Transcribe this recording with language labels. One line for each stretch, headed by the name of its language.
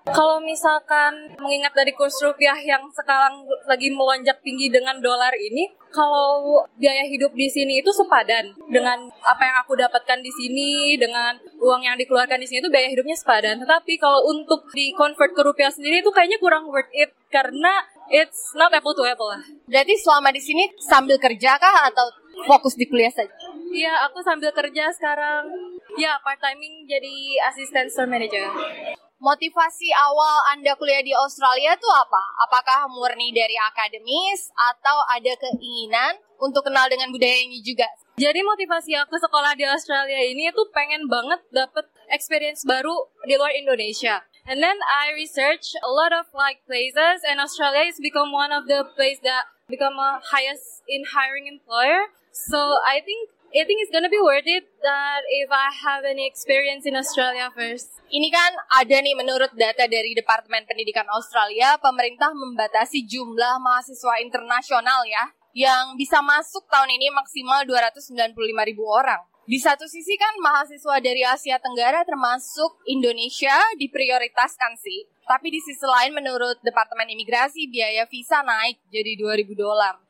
Indonesian: Kalau misalkan mengingat dari kurs rupiah yang sekarang lagi melonjak tinggi dengan dolar ini, kalau biaya hidup di sini itu sepadan dengan apa yang aku dapatkan di sini, dengan uang yang dikeluarkan di sini itu biaya hidupnya sepadan. Tetapi kalau untuk di convert ke rupiah sendiri itu kayaknya kurang
English: worth it
Indonesian: karena
English: it's not apple to apple
Indonesian: lah. Berarti selama di sini sambil kerja kah atau fokus di kuliah saja? Iya, aku sambil kerja sekarang.
English: Ya, part-timing jadi assistant store manager.
Indonesian: Motivasi awal Anda kuliah di Australia tuh apa? Apakah murni dari akademis atau ada keinginan untuk kenal dengan budaya ini juga? Jadi motivasi aku sekolah di Australia ini tuh pengen banget dapet experience baru di luar Indonesia.
English: And then I research a lot of like places and Australia has become one of the place that become a highest in hiring employer. So I think it's gonna be worth it that if I have any experience in Australia first.
Indonesian: Ini kan ada nih menurut data dari Departemen Pendidikan Australia, pemerintah membatasi jumlah mahasiswa internasional ya, yang bisa masuk tahun ini maksimal 295 ribu orang. Di satu sisi kan mahasiswa dari Asia Tenggara termasuk Indonesia diprioritaskan sih, tapi di sisi lain menurut Departemen Imigrasi biaya visa naik jadi 2.000 dolar.